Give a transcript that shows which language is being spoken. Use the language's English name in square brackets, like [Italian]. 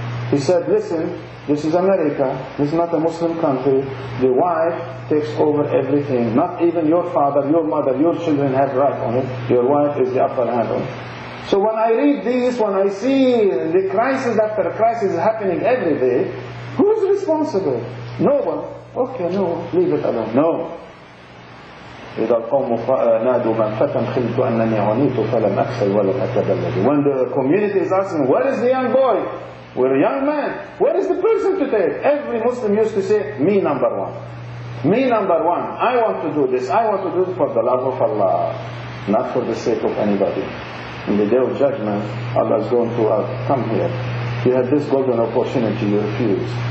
[English] He said, listen, this is America, this is not a Muslim country, the wife takes over everything, not even your father, your mother, your children have right on it, your wife is the upper hand on it. So when I read this, when I see the crisis after crisis happening every day, who is responsible? No one. Okay, no, leave it alone. No. [Arabic] إذا القوم نادوا من فتن خلت أنني عنيت فلم أكسل ولم أتبلد. [English] When the community is asking, where is the young boy? We're a young man. Where is the person to take? Every Muslim used to say, me number one. Me number one. I want to do this. I want to do it for the love of Allah. Not for the sake of anybody. In the day of judgment, Allah is going to come here. He had this golden opportunity, you refused.